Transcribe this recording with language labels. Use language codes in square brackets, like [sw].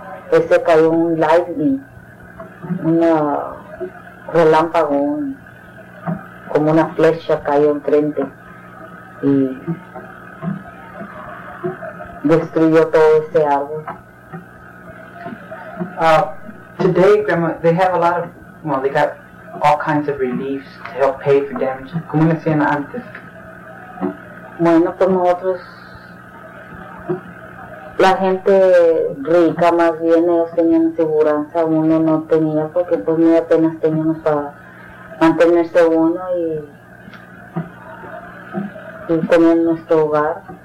[es] Ese cayó un lightning, un relámpago, como una flecha cayó enfrente y destruyó todo ese árbol. [en] Today, Grandma, they have a lot of, well, they got all kinds of reliefs to help pay for damage. [es] ¿Cómo lo hacían antes? Bueno, pues nosotros, la gente rica más bien, ellos tenían aseguranza, uno no tenía porque pues ni apenas teníamos para mantenerse uno y tener nuestro hogar.